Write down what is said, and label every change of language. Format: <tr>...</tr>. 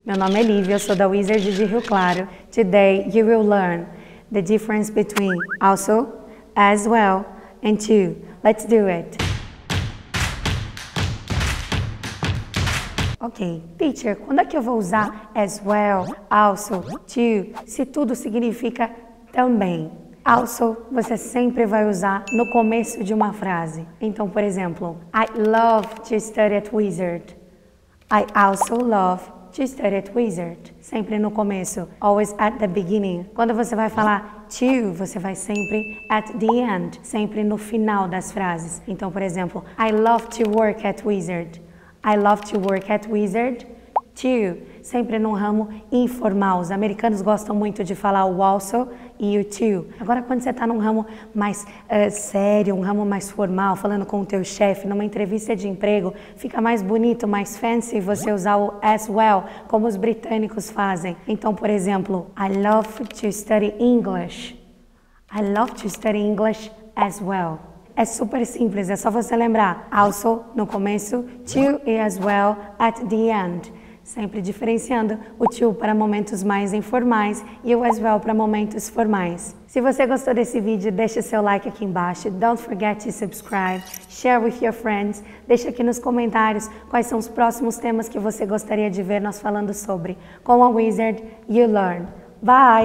<pt>Meu nome é Lívia, sou da Wizard de Rio Claro.</pt> <en>Today you will learn the difference between also, as well, and to. Let's do it.</en> <pt>Ok, teacher, quando é que eu vou usar as well, also, to, se tudo significa também? Also, você sempre vai usar no começo de uma frase. Então, por exemplo,</pt> <en>I love to study at Wizard. I also love to study at Wizard.</en> <pt>Sempre no começo.</pt> <en>Always at the beginning.</en> <pt>Quando você vai falar to, você vai sempre</pt> <en>at the end.</en> <pt>Sempre no final das frases. Então, por exemplo,</pt> <en>I love to work at Wizard. I love to work at Wizard. To.</en> <pt>Sempre num ramo informal. Os americanos gostam muito de falar o also e o to. Agora, quando você está num ramo mais sério, um ramo mais formal, falando com o teu chefe, numa entrevista de emprego, fica mais bonito, mais fancy você usar o as well, como os britânicos fazem. Então, por exemplo,</pt> <en>I love to study English. I love to study English as well.</en> <pt>É super simples, é só você lembrar also no começo, to e as well</pt> <en>at the end.</en> <pt>Sempre diferenciando o to para momentos mais informais e o as well para momentos formais. Se você gostou desse vídeo, deixe seu like aqui embaixo.</pt> <en>Don't forget to subscribe. Share with your friends.</en> <pt>Deixe aqui nos comentários quais são os próximos temas que você gostaria de ver nós falando sobre. Com a Wizard,</pt> <en>you learn. Bye!</en>